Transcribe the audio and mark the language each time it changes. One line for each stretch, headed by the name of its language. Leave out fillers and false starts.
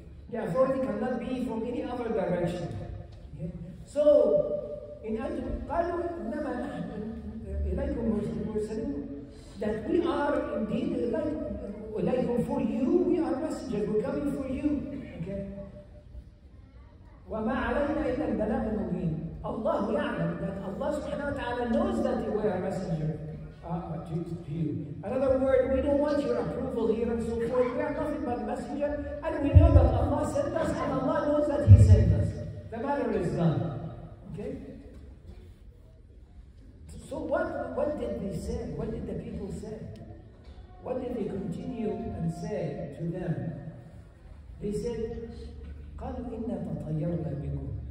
English: The authority cannot be from any other direction. Okay? So, in Antum,
Arabic: قالوا إنما نحن إليكم مرسلون,
English: that we are indeed إليكم for you, we are messengers, we're coming for you. Okay.
Arabic: وما علينا إلا البلاغ المبين.
English: Allah يعلم, that Allah سبحانه وتعالى knows that we are messengers to you. In other words, we don't want your approval here and so forth. We are nothing but messenger, and we know that Allah sent us, and Allah knows that He sent us. The matter is done. Okay. So what did they say? What did the people say? What did they continue and say to them? They said,
Arabic: قَالُوا إِنَّا تَطَيَّرْنَا بِكُمْ.